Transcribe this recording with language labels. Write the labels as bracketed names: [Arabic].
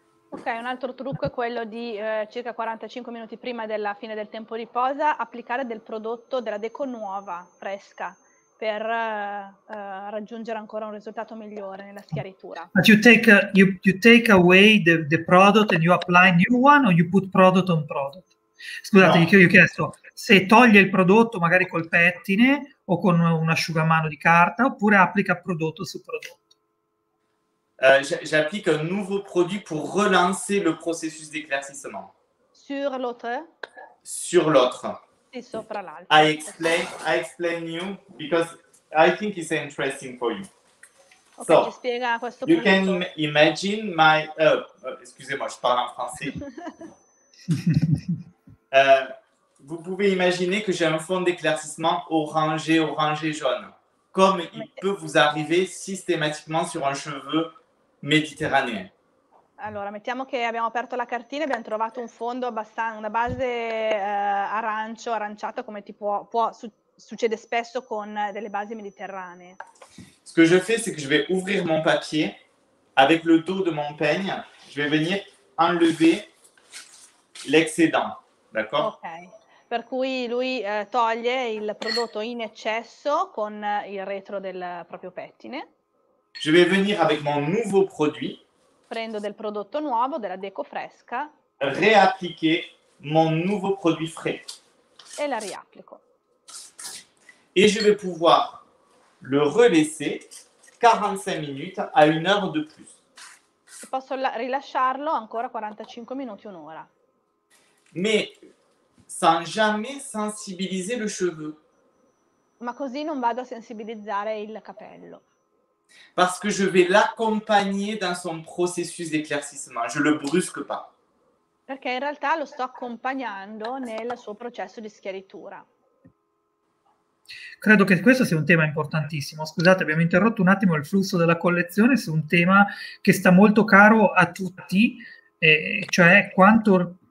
[Italian] Ok, un altro trucco è quello di circa 45 minuti prima della fine del tempo di posa applicare del prodotto, della deco nuova, fresca, per raggiungere ancora un risultato migliore nella schiarettura. [English] But you take away the product and you apply new one, or you put product on product? [Italian] Scusate, no. Io ho chiesto se toglie il prodotto magari col pettine o con un asciugamano di carta, oppure applica prodotto su prodotto. [French] J'applique un nouveau produit pour relancer le processus d'éclaircissement. Sur l'autre? Sur l'autre. [Italian] E sopra l'altro. [English] I explain you, because I think it's interesting for you. [Italian] Ok, so, ci spiega questo [English] you [Italian] prodotto. [English] You can imagine my... [French] Excusez-moi, je parle en français. vous pouvez imaginer que j'ai un fond d'éclaircissement orangé jaune, comme il peut vous arriver systématiquement sur un cheveu méditerranéen. [Italian] Allora, mettiamo che abbiamo aperto la cartina e abbiamo trovato un fondo abbastanza, una base aranciata, come tipo succede spesso con delle basi mediterranee. [French] Ce que je fais, c'est que je vais ouvrir mon papier avec le dos de mon peigne, je vais venir enlever l'excédent. D'accord? [Italian] Ok, per cui lui toglie il prodotto in eccesso con il retro del proprio pettine. [French] Je vais venir avec mon nouveau produit. [Italian] Prendo del prodotto nuovo, della deco fresca. [French] Réappliquer mon nouveau produit frais. [Italian] E la riapplico. [French] Et je vais pouvoir le relaisser 45 minutes à une heure de plus. [Italian] E posso rilasciarlo ancora 45 minuti, un'ora. [French] Mais sans jamais sensibiliser le cheveu. [Italian] Ma così non vado a sensibilizzare il capello. [French] Parce que je vais l'accompagner dans son processus d'éclaircissement, je le brusque pas. [Italian] Perché in realtà lo sto accompagnando nel suo processo di schiarittura. Credo che questo sia un tema importantissimo. Scusate, abbiamo interrotto un attimo il flusso della collezione su un tema che sta molto caro a tutti, cioè quanto...